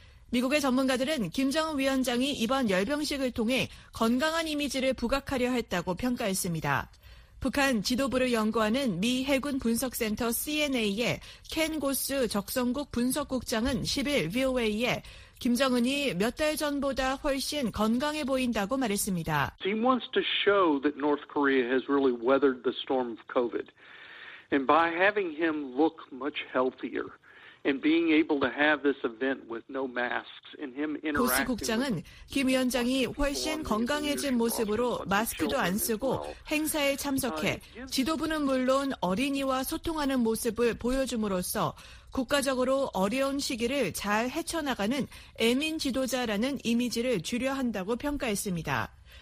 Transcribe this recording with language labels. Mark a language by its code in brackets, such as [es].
[ko] 미국의 전문가들은 김정은 위원장이 이번 열병식을 통해 건강한 이미지를 부각하려 했다고 평가했습니다. 북한 지도부를 연구하는 미 해군 분석센터 CNA의 켄 고스 적성국 분석국장은 10일 VOA에 김정은이 몇 달 전보다 훨씬 건강해 보인다고 말했습니다. [en] He wants to show that North Korea has really weathered the storm of COVID. And by having him look much healthier, and being able to have this event with no masks and him interacting with [ko] 국장은 김 위원장이 훨씬 건강해진 모습으로 마스크도 안 쓰고 행사에 참석해 지도부는 물론 어린이와 소통하는 모습을 보여줌으로써 국가적으로 어려운 시기를 잘 헤쳐나가는 애민 지도자라는 이미지를 주려 한다고 평가했습니다.